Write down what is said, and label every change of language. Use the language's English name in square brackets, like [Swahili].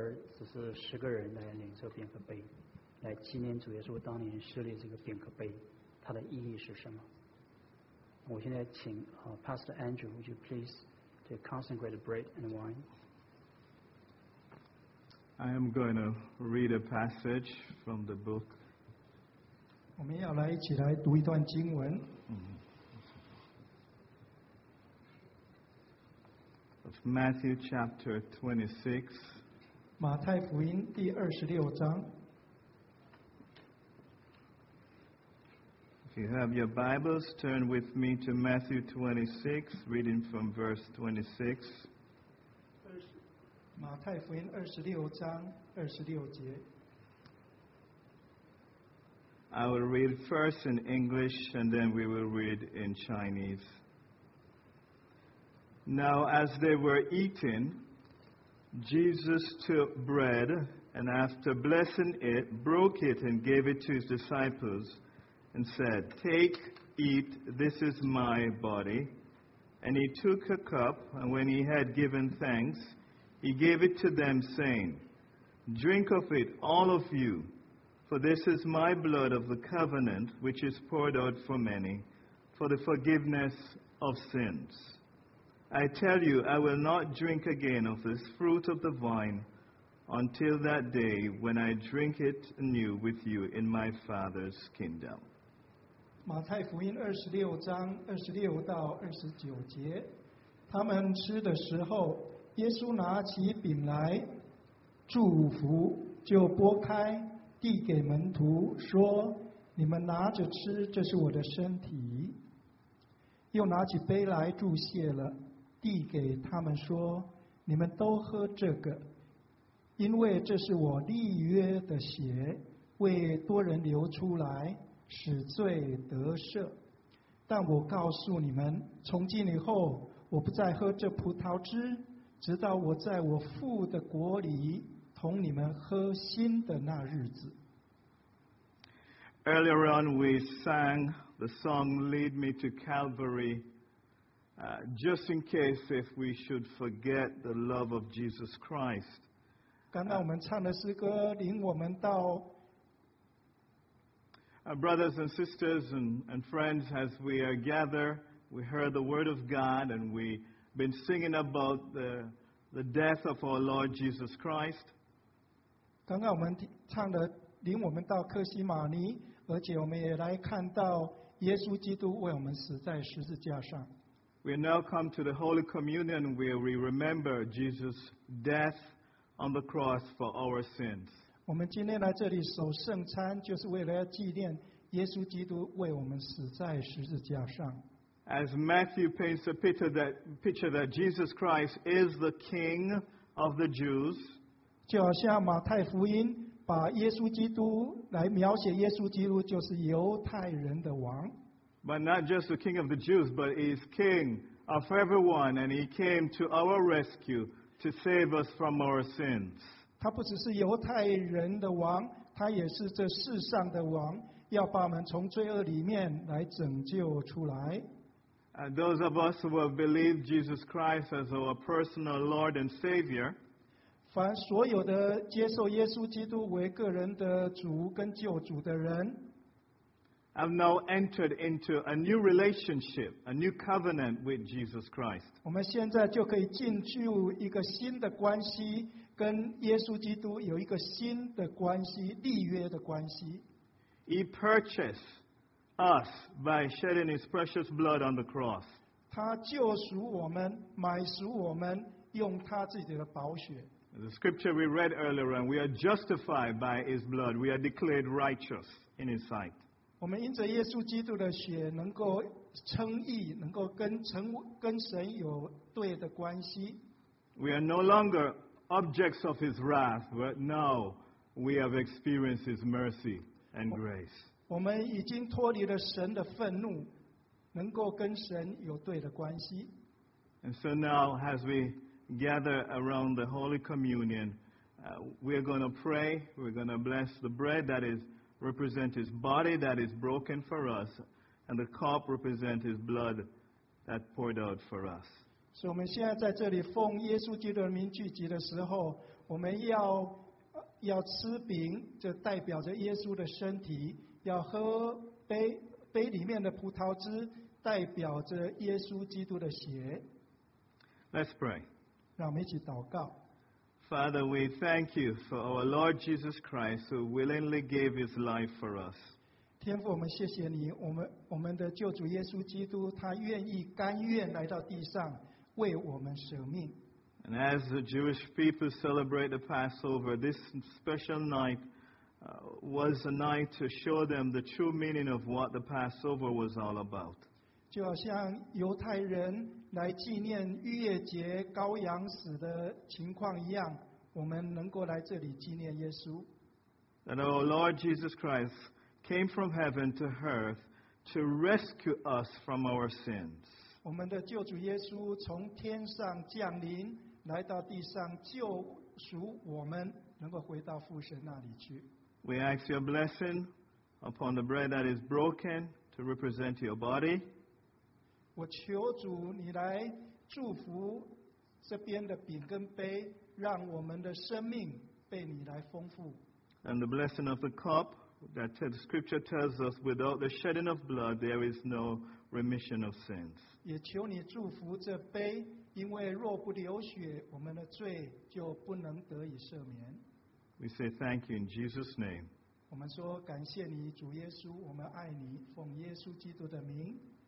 [Chinese] 今天晚上你不能来到大堂，我们一起来领受饼和杯。然后我们在这儿只是十个人来领受饼和杯，来纪念主耶稣当年设立这个饼和杯，它的意义是什么？我现在请 [English] Pastor Andrew, would you please to consecrate bread and wine? I am going to read a passage from the book. [Chinese] 我们要来一起来读一段经文。 [English] Matthew chapter 26. [Chinese] 马太福音第二十六章。 [English] If you have your Bibles, turn with me to Matthew 26, reading from verse 26. [Chinese] 马太福音二十六章二十六节。 [English] I will read first in English, and then we will read in Chinese. Now, as they were eating, Jesus took bread, and after blessing it, broke it and gave it to his disciples, and said, "Take, eat, this is my body." And he took a cup, and when he had given thanks, he gave it to them, saying, "Drink of it, all of you. For this is my blood of the covenant, which is poured out for many, for the forgiveness of sins. I tell you, I will not drink again of this fruit of the vine until that day when I drink it anew with you in my Father's kingdom." [Chinese] 马太福音二十六章二十六到二十九节，他们吃的时候，耶稣拿起饼来，祝福，就拨开递给门徒说，你们拿着吃，这是我的身体。又拿起杯来祝谢了，递给他们说，你们都喝这个，因为这是我立约的血，为多人流出来，使罪得赦。但我告诉你们，从今以后，我不再喝这葡萄汁，直到我在我父的国里同你们喝新的那日子。 [English] Earlier on, we sang the song "Lead Me to Calvary," just in case if we should forget the love of Jesus Christ. [Chinese] 刚刚我们唱的诗歌领我们到。 [English] Brothers and sisters and friends, as we are gathered, we heard the word of God, and we've been singing about the death of our Lord Jesus Christ. [Chinese] 刚刚我们唱的领我们到克西马尼，而且我们也来看到耶稣基督为我们死在十字架上。 [English] We now come to the Holy Communion where we remember Jesus' death on the cross for our sins. [Chinese] 我们今天来这里守圣餐，就是为了要纪念耶稣基督为我们死在十字架上。 [English] As Matthew paints a picture that Jesus Christ is the King of the Jews. [Chinese] 就好像马太福音把耶稣基督来描写，耶稣基督就是犹太人的王。 [English] But not just the King of the Jews, but he is King of everyone, and he came to our rescue to save us from our sins. [Chinese] 他不只是犹太人的王，他也是这世上的王，要把我们从罪恶里面来拯救出来。 [English] And those of us who have believed Jesus Christ as our personal Lord and Savior. [Chinese] 凡所有的接受耶稣基督为个人的主跟救主的人 [English] ，have now entered into a new relationship, a new covenant with Jesus Christ. [Chinese] 我们现在就可以进入一个新的关系，跟耶稣基督有一个新的关系，立约的关系。 [English] He purchased us by shedding His precious blood on the cross. [Chinese] 他救赎我们，买赎我们，用他自己的宝血。 [English] The scripture we read earlier, and we are justified by His blood. We are declared righteous in His sight. [Chinese] 我们因着耶稣基督的血能够称义，能够跟神有对的关系。 [English] We are no longer objects of His wrath, but now we have experienced His mercy and grace. [Chinese] 我们已经脱离了神的愤怒，能够跟神有对的关系。 [English] And so now, as we gather around the Holy Communion, we are going to pray, we are going to bless the bread that is represent His body that is broken for us, and the cup represent His blood that poured out for us. [Chinese] So, 我们现在在这里奉耶稣基督的名聚集的时候，我们要吃饼，这代表着耶稣的身体；要喝杯里面的葡萄汁，代表着耶稣基督的血。 [English] Let's pray. [Chinese] 让我们一起祷告。 [English] Father, we thank you for our Lord Jesus Christ who willingly gave his life for us. [Chinese] 天父，我们谢谢你，我们的救主耶稣基督，他愿意甘愿来到地上为我们舍命。 [English] And as the Jewish people celebrate the Passover, this special night was a night to show them the true meaning of what the Passover was all about. [Chinese] 就好像犹太人来纪念逾越节羔羊死的情况一样，我们能够来这里纪念耶稣。 [English] And our Lord Jesus Christ came from heaven to earth to rescue us from our sins. [Chinese] 我们的救主耶稣从天上降临，来到地上救赎我们，能够回到父神那里去。 [English] We ask your blessing upon the bread that is broken to represent your body. [Chinese] 我求主你来祝福这边的饼跟杯，让我们的生命被你来丰富。 [English] And the blessing of the cup that the scripture tells us without the shedding of blood there is no remission of sins. [Chinese] 也求你祝福这杯，因为若不流血，我们的罪就不能得以赦免。 [English] We say thank you in Jesus' name. [Chinese] 我们说感谢你，主耶稣，我们爱你，奉耶稣基督的名。